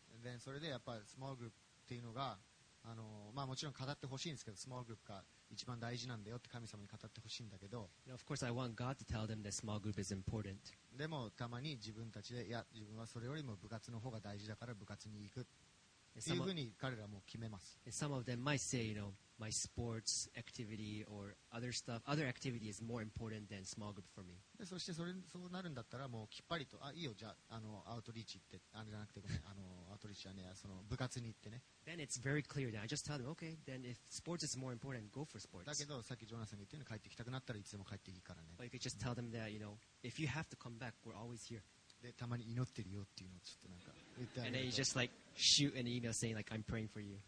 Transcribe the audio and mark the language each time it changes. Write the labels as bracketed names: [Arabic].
[English] And then [Japanese] それでやっぱりスモールグループっていうのがもちろん語ってほしいんですけどスモールグループが一番大事なんだよって神様に語ってほしいんだけど [English] Of course I want God to tell them that small group is important. [Japanese] でもたまに自分たちでいや自分はそれよりも部活の方が大事だから部活に行くっていうふうに彼らも決めます。 [English] Some of them might say you know my sports activity or other stuff other activity is more important than small group for me. [Japanese] でそしてそうなるんだったらもうきっぱりとあいいよじゃあアウトリーチってあれじゃなくてごめんアウトリーチはねその部活に行ってね。 [English] Then it's very clear that I just tell them, okay, then if sports is more important, go for sports. [Japanese] だけど、さっきジョナサンが言ったように、帰ってきたくなったらいつでも帰っていいからね。 [English] But you could just tell them that, you know, if you have to come back, we're always here. [Japanese] で、たまに祈ってるよっていうのをちょっとなんか言ってあげる。 [English] And then you just like shoot an email saying like, I'm praying for you.